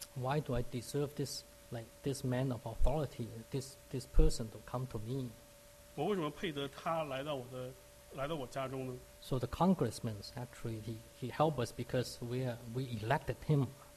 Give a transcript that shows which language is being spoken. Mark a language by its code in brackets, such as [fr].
[en] Why do I deserve this like this man of authority, this person to come to me? [zh] 我为什么配得他来到我家中呢？ [en] So the congressman actually he helped us because we elected him.